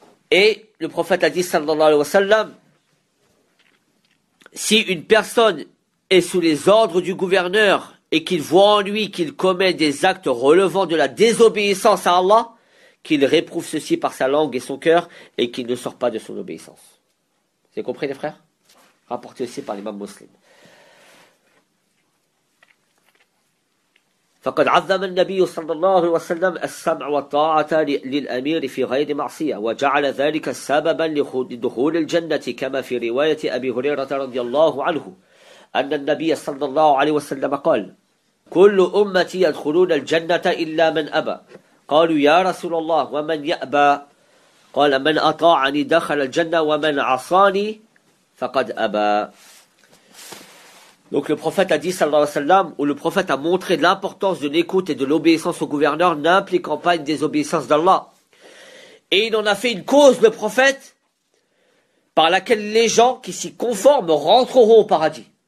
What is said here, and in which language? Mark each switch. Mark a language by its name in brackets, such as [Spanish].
[French] Et le prophète a dit, sallallahu alayhi wa sallam, si une personne est sous les ordres du gouverneur et qu'il voit en lui qu'il commet des actes relevant de la désobéissance à Allah, qu'il réprouve ceci par sa langue et son cœur et qu'il ne sort pas de son obéissance. C'est compris, les frères? Rapporté aussi par l'imam muslim. [Arabic] فقد عظم النبي صلى الله عليه وسلم السمع والطاعة للأمير في غير معصية وجعل ذلك سببا لدخول الجنة كما في رواية أبي هريرة رضي الله عنه أن النبي صلى الله عليه وسلم قال كل أمتي يدخلون الجنة إلا من أبى قالوا يا رسول الله ومن يأبى قال من أطاعني دخل الجنة ومن عصاني فقد أبى. [French] Donc le prophète a dit, sallallahu alayhi wa sallam, où le prophète a montré l'importance de l'écoute et de l'obéissance au gouverneur n'impliquant pas une désobéissance d'Allah. Et il en a fait une cause, le prophète, par laquelle les gens qui s'y conforment rentreront au paradis.